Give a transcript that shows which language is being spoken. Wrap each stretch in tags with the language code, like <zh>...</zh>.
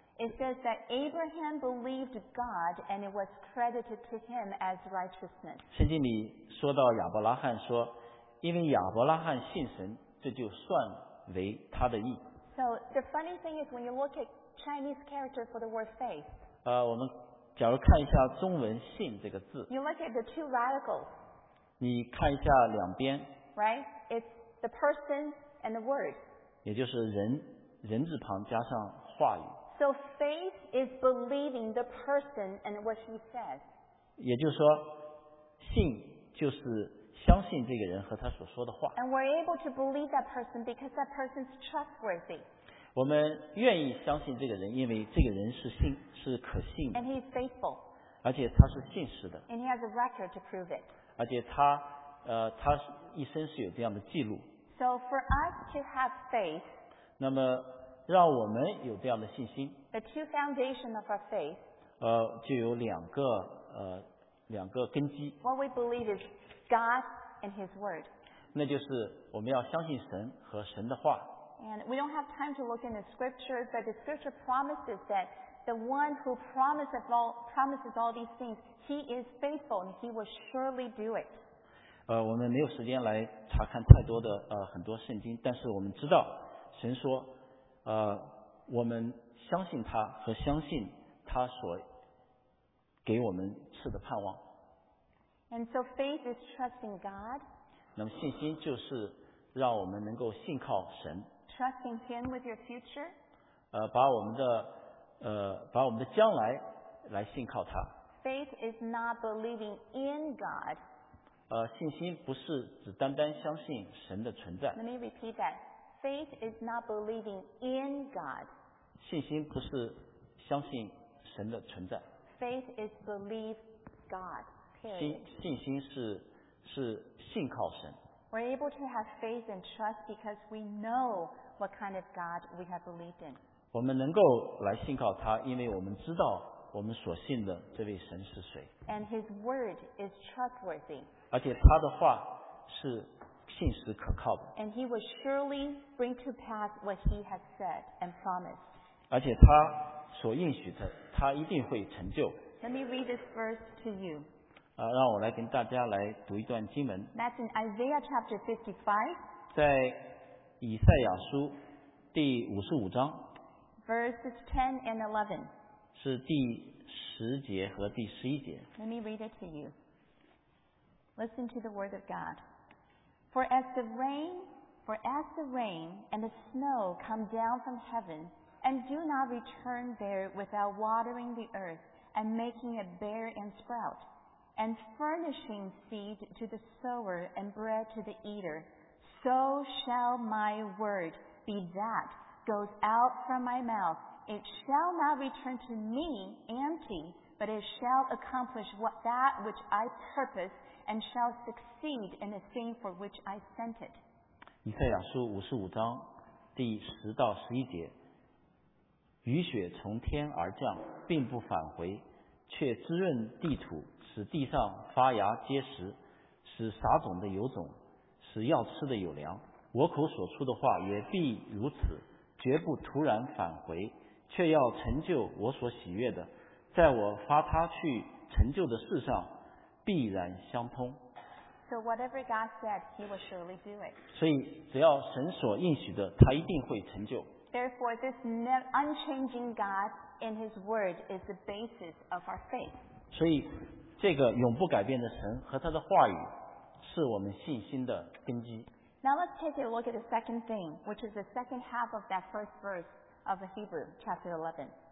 <en>It says that Abraham believed God and it was credited to him as righteousness.</en> <zh>圣经里说到亚伯拉罕说，因为亚伯拉罕信神，这就算为他的义。</zh> <en>So the funny thing is when you look at Chinese character for the word faith.</en> <zh>我们假如看一下中文信这个字。</zh> <en>You look at the two radicals.</en> <zh>你看一下两边。</zh> <en>Right? It's the person and the word.</en> <zh>也就是人，人字旁加上话语。</zh> <en>So faith is believing the person and what he says.</en> <zh>也就是说，信就是相信这个人和他所说的话。</zh> <en>And we're able to believe that person because that person's trustworthy.</en> <zh>我们愿意相信这个人，因为这个人是可信的。</zh> <en>And he's faithful.</en> <zh>而且他是信实的。</zh> <en>And he has a record to prove it.</en> <zh>而且他一生是有这样的记录。</zh> <en>So for us to have faith.</en> <zh>那么。让我们有这样的信心。</zh> <en>The two foundations of our faith.</en> <zh>就有两个根基。</zh> <en>What we believe is God and His Word.</en> <zh>那就是我们要相信神和神的话。</zh> <en>And we don't have time to look in the scriptures, but the scripture promises that the one who promises all these things, He is faithful and He will surely do it.</en> <zh>我们没有时间来查看太多的很多圣经，但是我们知道神说。我们相信他和相信他所给我们赐的盼望。</zh> <en>And so faith is trusting God.</en> <zh>那么信心就是让我们能够信靠神。</zh> <en>Trusting Him with your future.</en> <zh>把我们的将来来信靠他。</zh> <en>Faith is not believing in God.</en> <zh>信心不是只单单相信神的存在。</zh> <en>Let me repeat that. Faith is not believing in God.</en> <zh>信心不是相信神的存在。</zh> <en>Faith is believe God.</en> <zh>信心是信靠神。</zh> <en>We're able to have faith and trust because we know what kind of God we have believed in.</en> <zh>我们能够来信靠他，因为我们知道我们所信的这位神是谁。</zh> <en>And His word is trustworthy.</en> <zh>而且他的话是信实可靠的。</zh> <en>And He will surely bring to pass what He has said and promised.</en> <zh>而且他所应许的，他一定会成就。</zh> <en>Let me read this verse to you.</en> <zh>让我来跟大家来读一段经文。</zh> <en>That's in Isaiah chapter 55.</en> <zh>在以赛亚书第五十五章。</zh> <en>Verses 10 and 11.</en> <zh>是第十节和第十一节。</zh> <en>Let me read it to you. Listen to the word of God. For as the rain and the snow come down from heaven, and do not return there without watering the earth and making it bear and sprout, and furnishing seed to the sower and bread to the eater, so shall my word be that goes out from my mouth. It shall not return to me empty, but it shall accomplish that which I purpose and shall succeed in the thing for which I sent it.</en> <zh>以赛亚书五十五章第十到十一节，雨雪从天而降，并不返回，却滋润地土，使地上发芽结实，使撒种的有种，使要吃的有粮。我口所出的话也必如此，绝不突然返回，却要成就我所喜悦的，在我发他去成就的事上必然相通。</zh> <en>So whatever God said, He will surely do it.</en> <zh>所以只要神所应许的，他一定会成就。</zh> <en>Therefore, this unchanging God in His word is the basis of our faith.</en> <zh>所以这个永不改变的神和他的话语是我们信心的根基。</zh> <en>Now let's take a look at the second thing, which is the second half of that first verse of Hebrew, chapter 11.</en>